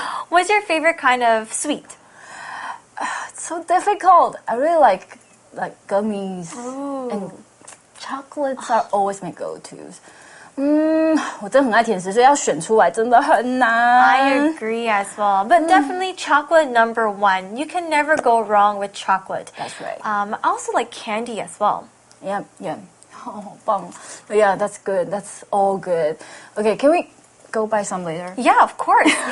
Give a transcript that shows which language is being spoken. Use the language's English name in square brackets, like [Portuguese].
[English] What's your favorite kind of sweet? So difficult. I really like gummies. Ooh. And chocolates are always my go-tos. [Chinese] 我真的很爱甜食，所以要选出来真的很难。 [English] I agree as well, but definitely chocolate number one. You can never go wrong with chocolate. That's right. I also like candy as well. Yeah. Oh, 棒。Yeah, that's good. That's all good. Okay, can we go buy some later? Yeah, of course.